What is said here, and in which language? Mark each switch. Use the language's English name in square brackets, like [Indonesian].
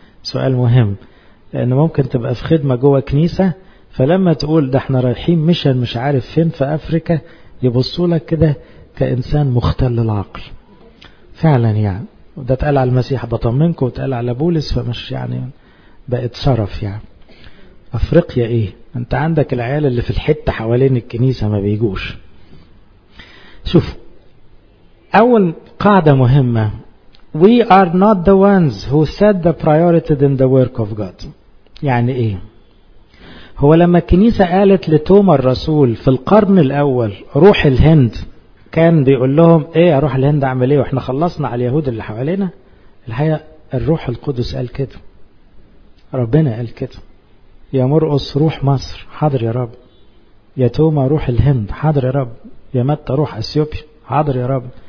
[Arabic] سؤال مهم، لأن ممكن تبقى في خدمة جوه كنيسة، فلما تقول ده احنا رايحين مشن مش عارف فين في أفريكا، يبصوا لك كده كإنسان مختل العقل فعلا. يعني وده تقال على المسيح بطمنكم، وتقال على بولس، فمش يعني بقت شرف. يعني أفريقيا إيه؟ أنت عندك العيال اللي في الحتة حوالين الكنيسة ما بيجوش. شوف، أول قاعدة مهمة، [English] We are not the ones who set the priority in the work of God. [Arabic] يعني إيه؟ هو لما الكنيسة قالت لتوما الرسول في القرن الأول روح الهند، كان بيقول لهم إيه أروح الهند أعمل إيه وإحنا خلصنا على اليهود اللي حوالينا؟ الحقيقة الروح القدس قال كده، ربنا قال كده، يا مرقس روح مصر، حاضر يا رب، يا توما روح الهند، حاضر يا رب، يا متى روح أثيوبيا، حاضر يا رب.